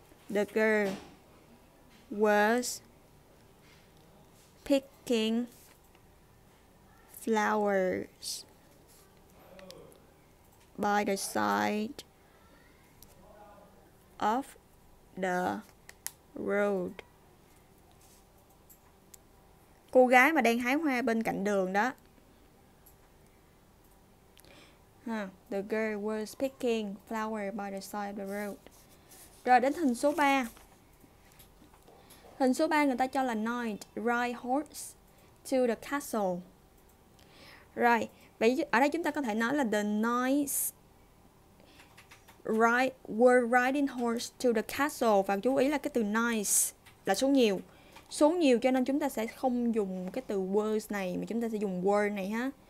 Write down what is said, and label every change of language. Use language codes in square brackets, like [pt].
[en] The girl was picking flowers by the side of the road. [vi] Cô gái mà đang hái hoa bên cạnh đường đó. [en] The girl was picking flower by the side of the road. [vi] Rồi đến hình số 3. Hình số 3 người ta cho là [en] knight ride horse to the castle. [vi] Rồi, vậy ở đây chúng ta có thể nói là [en] the knights were riding horse to the castle. [vi] Và chú ý là cái từ knights là số nhiều. Số nhiều cho nên chúng ta sẽ không dùng cái từ was này mà chúng ta sẽ dùng were này ha.